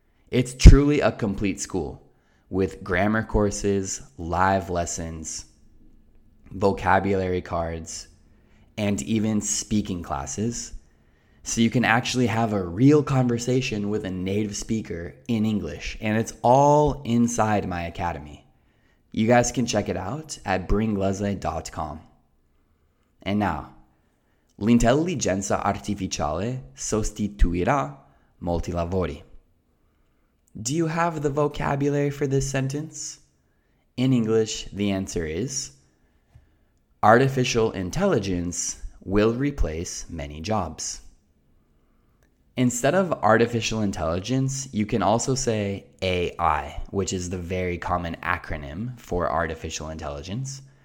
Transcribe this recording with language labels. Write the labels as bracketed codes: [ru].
[en] It's truly a complete school with grammar courses, live lessons, vocabulary cards, and even speaking classes. So you can actually have a real conversation with a native speaker in English. And it's all inside my academy. You guys can check it out at bringlesley.com. And now, [it] l'intelligenza artificiale sostituirà molti lavori. [en] Do you have the vocabulary for this sentence? In English, the answer is, artificial intelligence will replace many jobs. Instead of artificial intelligence, you can also say AI, which is the very common acronym for artificial intelligence.